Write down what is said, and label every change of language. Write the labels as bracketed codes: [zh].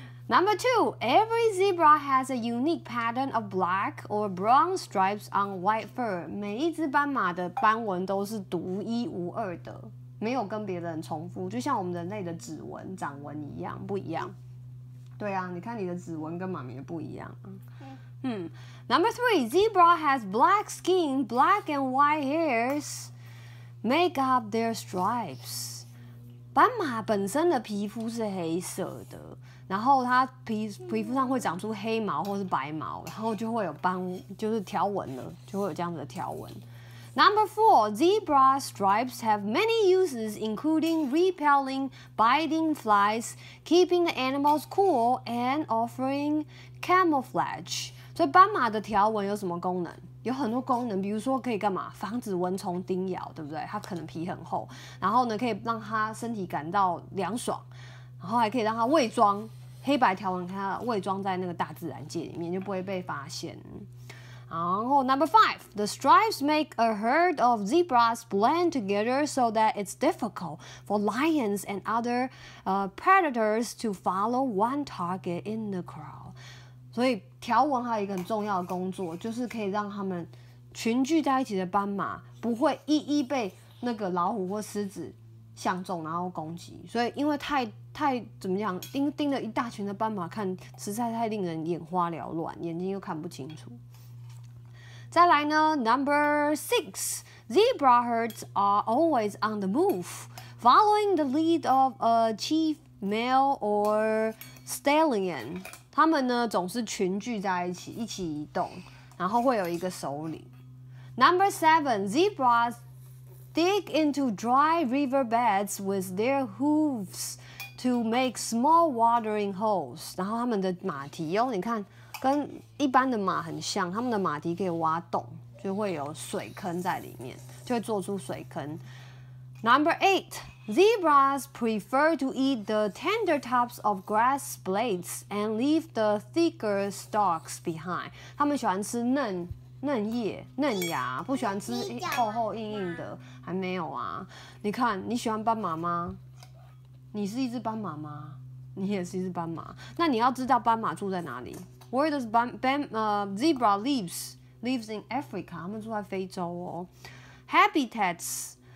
[en] Number two, every zebra has a unique pattern of black or brown stripes on white fur. [zh] 每一只斑马的斑纹都是独一无二的，没有跟别人重复，就像我们人类的指纹、掌纹一样，不一样。对啊，你看你的指纹跟妈咪的不一样。 [en] Number three, zebra has black skin, black and white hairs make up their stripes. [zh] 斑马本身的皮肤是黑色的。然后它皮肤上会长出黑毛或是白毛，然后就会有斑，就是条纹了，就会有这样子的条纹。 [en] Number four, zebra stripes have many uses, including repelling biting flies, keeping the animals cool, and offering camouflage. [zh] 所以斑马的条纹有什么功能？有很多功能，比如说可以干嘛？防止蚊虫叮咬，对不对？它可能皮很厚，然后呢，可以让它身体感到凉爽。然后还可以让它伪装，黑白条纹，它伪装在那个大自然界里面，就不会被发现。然后 [en] number five, the stripes make a herd of zebras blend together so that it's difficult for lions and other predators to follow one target in the crowd. [zh] 所以条纹还有一个很重要的工作，就是可以让他们群聚在一起的斑马不会一一被那个老虎或狮子相中，然后攻击。所以因为太怎么样，盯了一大群的斑马看，实在太令人眼花缭乱，眼睛又看不清楚。再来呢 [en] ，Number six, zebra herds are always on the move, following the lead of a chief male or stallion. [zh] 他们呢总是群聚在一起移动，然后会有一个首领。 [en] Number seven, zebras dig into dry river beds with their hooves. To make small watering holes， [zh] 然后他们的马蹄哦，你看跟一般的马很像，他们的马蹄可以挖洞，就会有水坑在里面，就会做出水坑。 [en] Number eight, zebras prefer to eat the tender tops of grass blades and leave the thicker stalks behind。 [zh] 他们喜欢吃嫩叶、嫩芽，不喜欢吃厚厚硬硬的。还没有啊，你看你喜欢斑马吗？你是一只斑马吗？你也是一只斑马。那你要知道斑马住在哪里 ？ [en] Where does zebra lives in Africa？ [zh] 他们住在非洲哦。Habitats，